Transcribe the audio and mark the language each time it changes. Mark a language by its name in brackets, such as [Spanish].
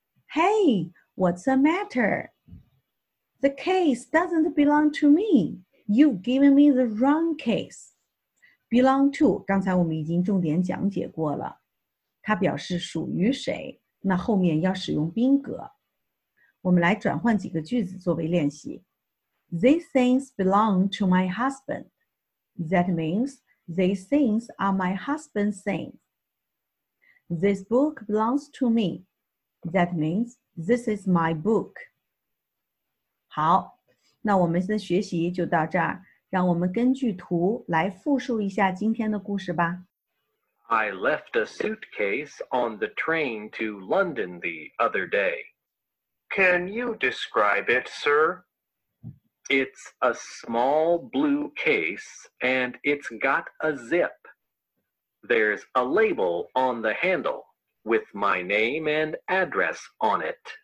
[English] Hey, what's the matter? The case doesn't belong to me. You've given me the wrong case. [Chinese] Belong to, 刚才我们已经重点讲解过了，它表示属于谁。那后面要使用宾格。我们来转换几个句子作为练习。 [English] These things belong to my husband. That means these things are my husband's things. This book belongs to me. That means this is my book. [Chinese] 好，那我们的学习就到这儿。让我们根据图来复述一下今天的故事吧。 [English] I left a suitcase on the train to London the other day. Can you describe it, sir? It's a small blue case, and it's got a zip. There's a label on the handle with my name and address on it.